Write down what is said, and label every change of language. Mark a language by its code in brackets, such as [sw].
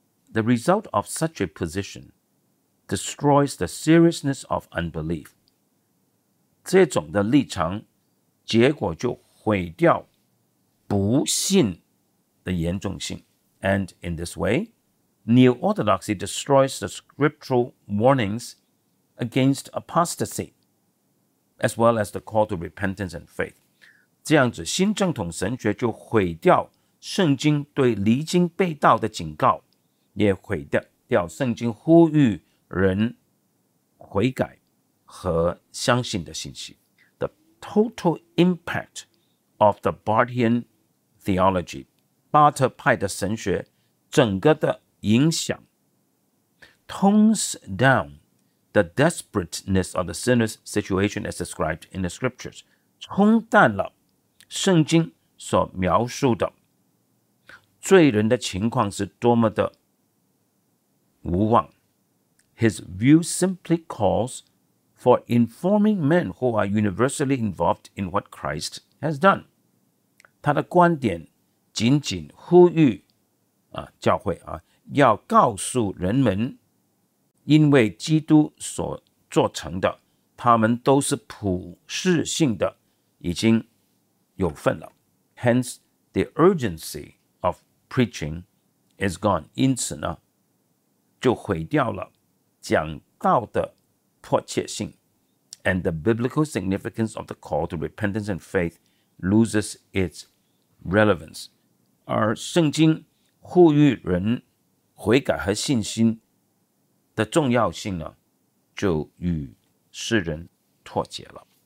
[en] The result of such a position destroys the seriousness of unbelief. [zh] 这种的立场结果就毁掉不信的严重性。 [en] And in this way, neo-orthodoxy destroys the scriptural warnings against apostasy, as well as the call to repentance and faith. [zh] 这样子新正统神学就毁掉圣经对离经背道的警告，也毁掉圣经呼吁人悔改和相信的信息。 The [en] total impact of the Barthian theology, [zh] 巴特派的神学整个的影响 [en] tones down the desperateness of the sinner's situation as described in the scriptures, [zh] 冲淡了圣经所描述的罪人的情况是多么的无望。 [en] His view simply calls for informing men who are universally involved in what Christ has done. [zh] 他的观点仅仅呼吁、啊、教会、啊、要告诉人们因为基督所做成的他们都是普世性的已经有份了。 [en] Hence, the urgency of preaching is gone. [zh] 因此呢就毁掉了讲道的迫切性 [en] and the biblical significance of the call to repentance and faith loses its relevance. [zh] 而圣经呼吁人悔改和信心的重要性呢就与世人脱节了。